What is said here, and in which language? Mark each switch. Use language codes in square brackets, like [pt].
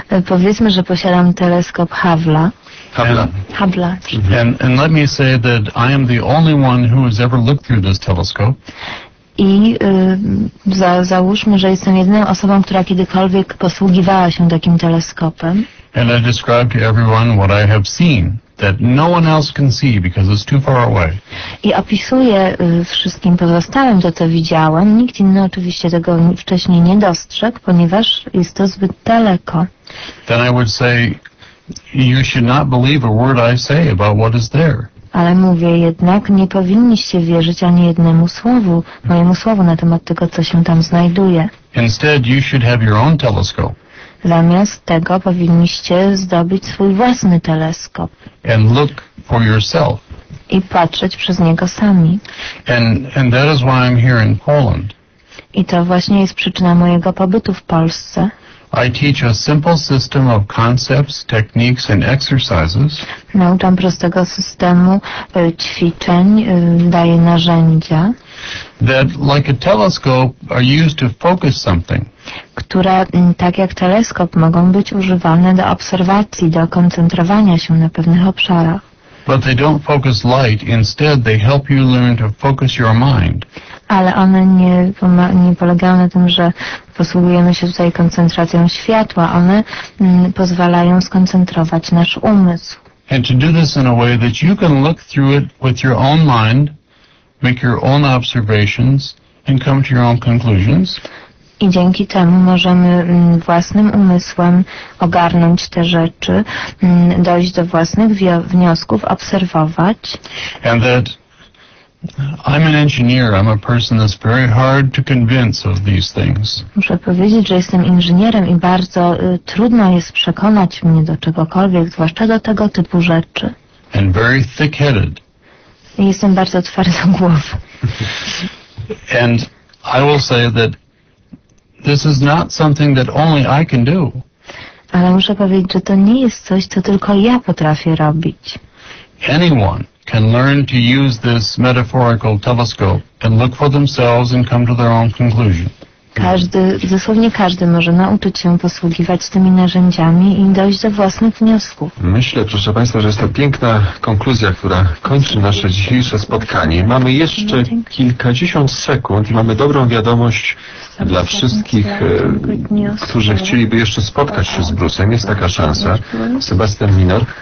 [pl] Powiedzmy, że posiadam teleskop Hubble'a. Hubble'a. [en] And let me say that I am the only one who has ever looked through this telescope. [pl] I załóżmy, że jestem jedyną osobą, która kiedykolwiek posługiwała się takim teleskopem. [en] And I describe to everyone what I have seen. That no one else can see because it's too far away. [pl] I opisuję wszystkim pozostałym to, co widziałem. Nikt inny oczywiście tego wcześniej nie dostrzegł, ponieważ jest to zbyt daleko. [en] Then I would say, you should not believe a word I say about what is there. [pl] Ale mówię jednak, nie powinniście wierzyć ani jednemu słowu, mojemu słowu na temat tego, co się tam znajduje. [en] Instead, you should have your own telescope. [pl] Zamiast tego powinniście zdobyć swój własny teleskop. [en] And look for yourself. [pl] I patrzeć przez niego sami. [en] And that is why I'm here in Poland. [pl] I to właśnie jest przyczyna mojego pobytu w Polsce. [en] I teach a simple system of concepts, techniques and exercises. [pl] Nauczam prostego systemu ćwiczeń, daję narzędzia. [en] That like a telescope are used to focus something. [pl] Które, tak jak teleskop, mogą być używane do obserwacji, do koncentrowania się na pewnych obszarach. [en] But they don't focus light, instead they help you learn to focus your mind. [pl] Ale one nie polegają na tym, że posługujemy się tutaj koncentracją światła. One pozwalają skoncentrować nasz umysł. [en] And to do this in a way that you can look through it with your own mind, make your own observations, and come to your own conclusions. [pl] I dzięki temu możemy własnym umysłem ogarnąć te rzeczy, dojść do własnych wniosków, obserwować. [en] And that I'm an engineer, I'm a person that's very hard to convince of these things. [pl] Muszę powiedzieć, że jestem inżynierem i bardzo trudno jest przekonać mnie do czegokolwiek, zwłaszcza do tego typu rzeczy. [en] And very thick-headed. [pl] I jestem bardzo twardogłowy. [en] And I will say that this is not something that only I can do. [pl] Ale muszę powiedzieć, że to nie jest coś, co tylko ja potrafię robić. [en] Anyone can learn to use this metaphorical telescope and look for themselves and come to their own conclusion. [pl] każdy, dosłownie każdy może nauczyć się posługiwać tymi narzędziami i dojść do własnych wniosków. Myślę, proszę Państwa, że jest to piękna konkluzja, która kończy nasze dzisiejsze spotkanie. Mamy jeszcze kilkadziesiąt sekund i mamy dobrą wiadomość dla wszystkich, którzy chcieliby jeszcze spotkać się z Bruce'em. Jest taka szansa. Sebastian Minor.